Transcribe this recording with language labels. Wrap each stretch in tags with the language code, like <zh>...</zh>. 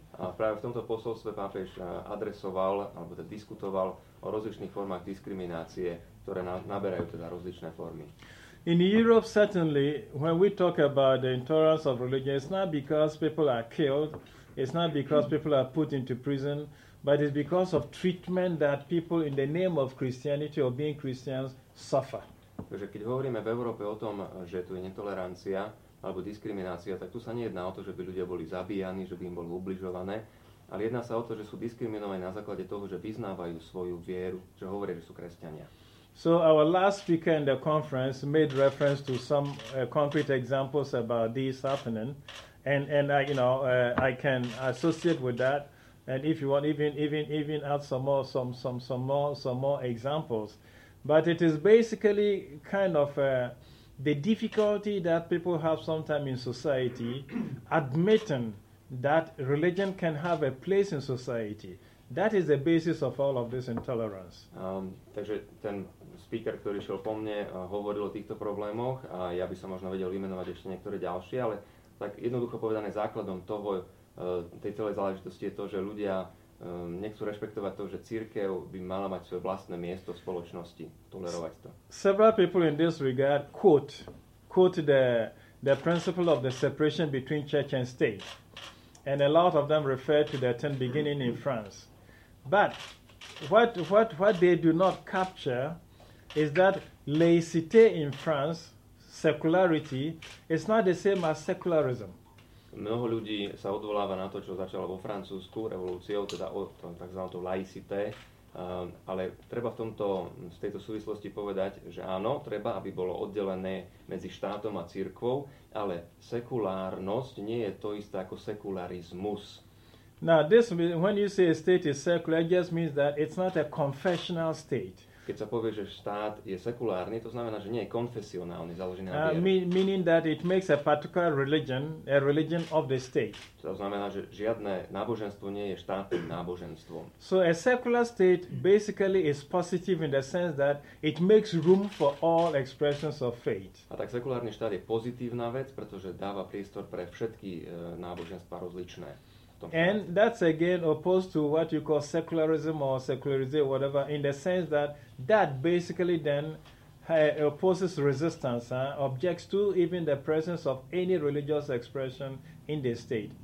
<sk>A práve v tomto posolstve pápež adresoval alebo teda diskutoval o rozličných formách diskriminácie, ktoré naberajú teda rozličné formy.</sk> <en>In Europe certainly when we talk about the intolerance of religion, it's not because people are killed, it's not because people are put into prison, but it's because of treatment that people in the name of Christianity or being Christians suffer.</en> <sk>Takže keď hovoríme v Európe o tom, že tu je netolerancia alebo diskriminácia, tak tu sa nejedná o to, že by ľudia boli zabíjani, že by im bolo ubližované, ale jedná sa o to, že sú diskriminovaní na základe toho, že vyznávajú svoju vieru, že hovoria, že sú kresťania.</sk> <en>So our last speaker in the conference made reference to some concrete examples about this happening, and I can associate with that, and if you want even add some more examples. But it is basically kind of the difficulty that people have sometimes in society admitting that religion can have a place in society. That is the basis of all of this intolerance.</en> <sk>Takže ten speaker, ktorý šiel po mne, hovoril o týchto problémoch a ja by som možno vedel vymenovať ešte niektoré ďalšie, ale tak jednoducho povedané základom toho, tej celej záležitosti je to, že ľudia nechcú rešpektovať to, že cirkev by mala mať svoje vlastné miesto v spoločnosti, tolerovať to.</sk> <en>Several people in this regard quote quoted the principle of the separation between church and state. And a lot of them refer to the ten beginning in France. But what they do not capture is that laïcité in France, secularity, is not the same as secularism.</en> <sk>Mnoho ľudí sa odvoláva na to, čo začalo vo Francúzsku revolúciou, teda o takzvanú laïcité. Ale treba v tomto, v tejto súvislosti povedať, že áno, treba, aby bolo oddelené medzi štátom a cirkvou, ale sekulárnosť nie je to isté ako sekularizmus.</sk> <en>Now this, when you say a state is secular, it just means that it's not a confessional state.</en> <sk>Keď sa povie, že štát je sekulárny, to znamená, že nie je konfesionálny, založený na viere.</sk> <en>Meaning that it makes a particular religion a religion of the state.</en> <sk>To znamená, že žiadne náboženstvo nie je štátnym náboženstvom.</sk> <en>So a secular state basically is positive in the sense that it makes room for all expressions of faith.</en> <sk>A tak sekulárny štát je pozitívna vec, pretože dáva priestor pre všetky náboženstva rozličné.</sk> <en>And that's again opposed to what you call secularism or secularism, whatever, in the sense that that basically then opposes resistance, objects to even the presence of any religious expression in the state.</en>